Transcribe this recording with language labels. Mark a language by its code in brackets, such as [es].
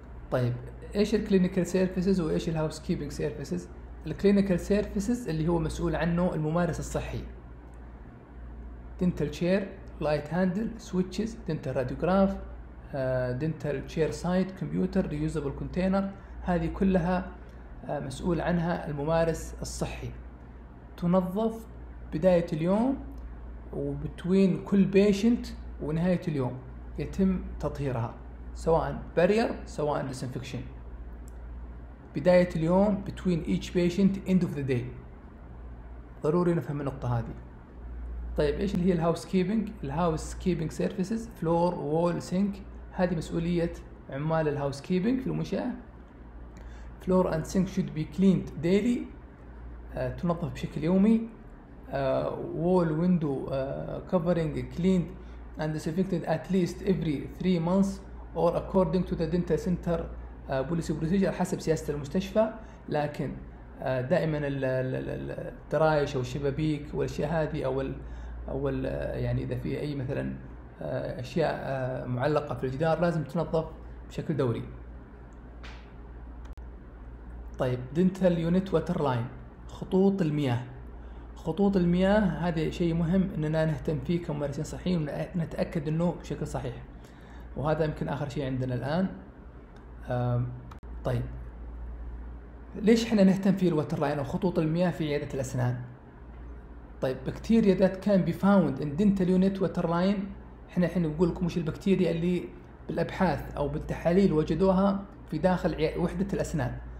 [ar] طيب ايش الكلينيكال سيرفيسز وايش الهاوس كيبنج سيرفيسز؟ الكلينيكال سيرفيسز اللي هو مسؤول عنه الممارس الصحي، دنتال تشير، لايت هاندل، سويتشز، دنتال راديوغراف، دنتال تشير سايد، كمبيوتر، ريوزابل كونتينر، هذه كلها مسؤول عنها الممارس الصحي. تنظف بداية اليوم وبتوين كل بيشنت ونهاية اليوم يتم تطهيرها، سواء بارير سواء ديسنفكشن. بداية اليوم [en] between each patient end of the day. [ar] ضروري نفهم النقطة هذه. طيب ايش اللي هي الهاوس كيبنج؟ الهاوس كيبنج سيرفيسز فلور وول سينك، هذه مسؤولية عمال الهاوس كيبنج في المنشأة. [en] floor and sink should be cleaned daily, [ar] تنظف بشكل يومي. [en] wall window covering cleaned and disinfected at least every 3 months or according to the dental center policy procedure، [ar] حسب سياسة المستشفى. لكن دائما الدرايش او الشبابيك والاشياء هذه او يعني اذا في اي مثلا اشياء معلقة في الجدار لازم تنظف بشكل دوري. طيب dental unit water line، خطوط المياه. خطوط المياه هذا شيء مهم اننا نهتم فيه كممارسين صحيين ونتأكد انه بشكل صحيح، وهذا يمكن آخر شيء عندنا الآن. طيب ليش احنا نهتم في الوتر لاين أو خطوط المياه في عيادة الأسنان؟ طيب [en] bacteria that can be found in dental unit water line, [ar] احنا بقول لكم وش البكتيريا اللي بالأبحاث أو بالتحاليل وجدوها في داخل وحدة الأسنان.